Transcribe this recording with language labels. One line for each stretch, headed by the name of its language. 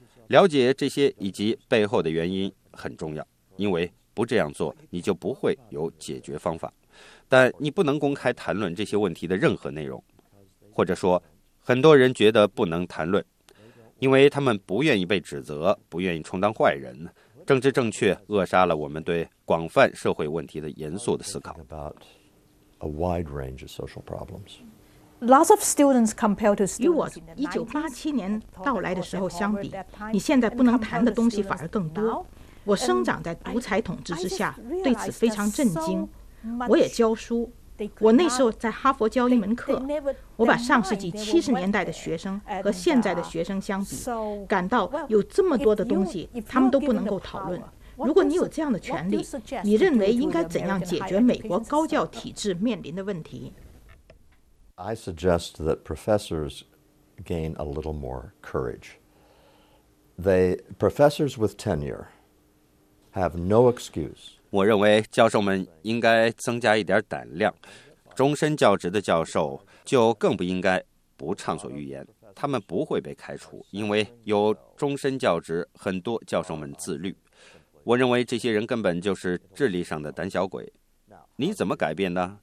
Chinese: 了解这些以及背后的原因很重要，因为不这样做你就不会有解决方法。但你不能公开谈论这些问题的任何内容，或者说很多人觉得不能谈论，因为他们不愿意被指责，不愿意充当坏人。政治正确扼杀了我们对广泛社会问题的严肃的思考。
English: About a wide range of social problems. Lots of students compared to
Chinese: 与我1987年到来的时候相比，你现在不能谈的东西反而更多。我生长在独裁统治之下，对此非常震惊。我也教书，我那时候在哈佛教一门课，我把上世纪70年代的学生和现在的学生相比，感到有这么多的东西他们都不能够讨论。如果你有这样的权利，你认为应该怎样解决美国高教体制面临的问题？
English: I suggest that professors gain a little more courage. Professors with tenure have no excuse.
Chinese: 我认为教授们应该增加一点胆量，终身教职的教授就更不应该不畅所欲言。他们不会被开除，因为有终身教职，很多教授们自律。我认为这些人根本就是智力上的胆小鬼。你怎么改变呢？